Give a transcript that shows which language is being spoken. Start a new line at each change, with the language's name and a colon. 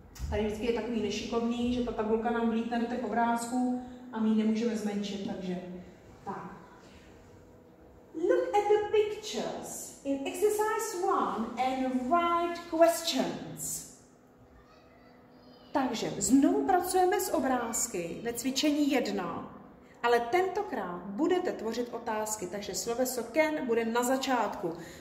Czech: Tady vždycky je takový nešikovný, že ta tabulka nám vlítne do těch obrázků a my ji nemůžeme zmenšit, takže tak.
English: Look at the pictures in exercise 1 and write questions.
Czech: Takže znovu pracujeme s obrázky ve cvičení 1, ale tentokrát budete tvořit otázky, takže sloveso can bude na začátku.